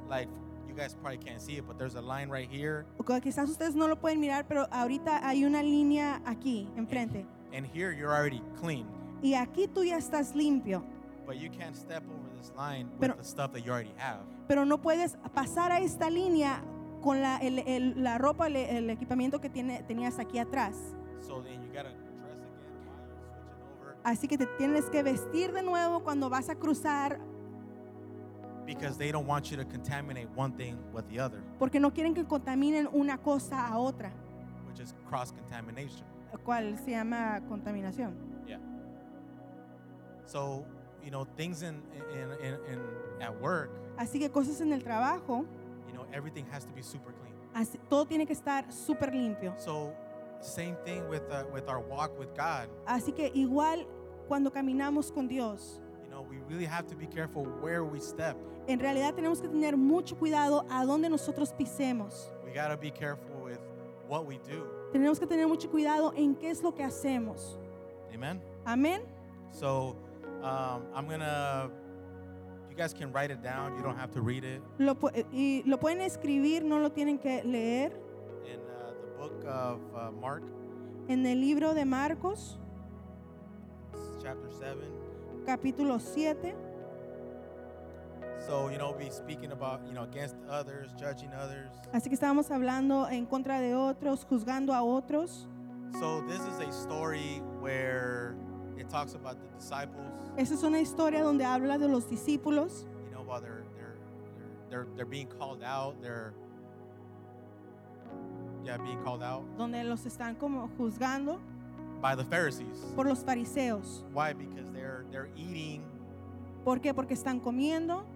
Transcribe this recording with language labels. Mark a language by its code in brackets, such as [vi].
[en] Like, you guys probably can't see it, but there's a line right here. [es] Quizás ustedes no lo pueden mirar, pero ahorita hay una línea aquí enfrente. [en] And here you're already clean. [es] Y aquí tú ya estás limpio. [en] But you can't step over this line with the stuff that you already have. [es] Pero no puedes pasar a esta línea con la ropa, el equipamiento que tenías aquí atrás. [en] So then you gotta dress again while you're switching over. [es] Así que te tienes que vestir de nuevo cuando vas a cruzar. [en] Because they don't want you to contaminate one thing with the other. [es] Porque no quieren que contaminen una cosa a otra. [en] Which is cross contamination. [es] ¿Cuál se llama contaminación? [en] Yeah. So, you know, things in at work. [es] Así que cosas en el trabajo. [en] You know, everything has to be super clean. [es] Así, todo tiene que estar super limpio. [en] So, same thing with our walk with God. [es] Así que igual cuando caminamos con Dios. [en] You know, we really have to be careful where we step. [es] En realidad tenemos que tener mucho cuidado a donde nosotros pisemos. [en] We gotta be careful with what we do. [es] Tenemos que tener mucho cuidado en qué es lo que hacemos. [en] Amen. [es] Amen. [en] So, I'm gonna. You guys can write it down. You don't have to read it. [es] Lo pueden escribir, no lo tienen que leer. [en] In the book of Mark. [es] En el libro de Marcos. [en] Chapter 7. [es] Capítulo 7. [en] So, you know, we'll be speaking about, you know, against others, judging others. [es] Así que estábamos hablando en contra de otros, juzgando a otros. [en] So, this is a story where it talks about the disciples. [es] Esa es una historia donde habla de los discípulos. [en] You know, while they're being called out, being called out. [es] Donde los están como juzgando. [en] By the Pharisees. [es] Por los fariseos. [en] Why? Because they're eating. [es] ¿Por qué? Porque están comiendo.